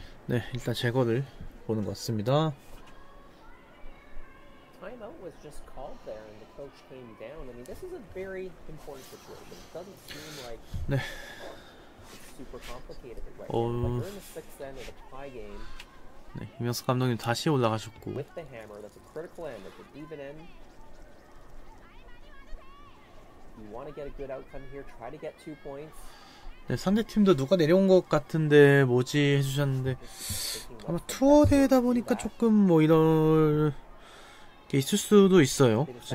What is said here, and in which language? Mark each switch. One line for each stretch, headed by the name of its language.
Korean: 네, 일단 제거를 보는 것 같습니다.
English: Time out was just called there and the coach came down. I mean, this is a very important situation. It doesn't seem like
Korean: 네.
English: super complicated right now. But we're in the sixth end of the tie game.
Korean: 네, 이명석 감독님 다시 올라가셨고.
English: With the hammer, that's a critical end. It's an even end. You want to get a good outcome here. Try to get two points.
Korean: 네, 상대 팀도 누가 내려온 것 같은데 뭐지 해주셨는데 아마 투어대다 보니까 조금 뭐 이럴 게 있을 수도 있어요.